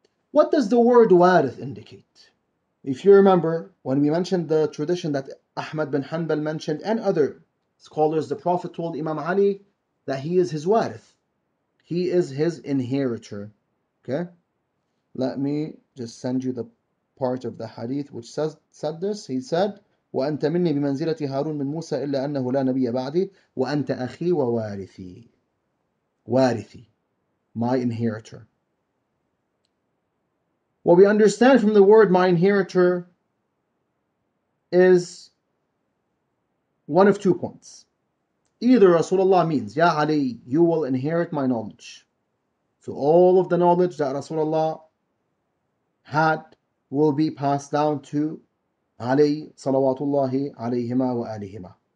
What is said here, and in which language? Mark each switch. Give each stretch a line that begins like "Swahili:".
English: What does the word warith indicate? If you remember, when we mentioned the tradition that Ahmad bin Hanbal mentioned and other scholars, the Prophet told Imam Ali that he is his warith. He is his inheritor. Okay? Let me just send you the part of the hadith which said this. He said,
Arabic: وَأَنْتَ مِنِّي بِمَنْزِلَةِ هَارُونَ مِنْ مُوسَى إِلَّا أَنَّهُ لَا نَبِيَّ بَعْدِي وَأَنْتَ أَخِي وَوَارِثِي وَارِثِي
English: My inheritor. What we understand from the word my inheritor is one of two points. Either Rasulullah means, Ya Ali, you will inherit my knowledge. So all of the knowledge that Rasulullah had will be passed down to Ali salawatullahi alayhima wa alihima.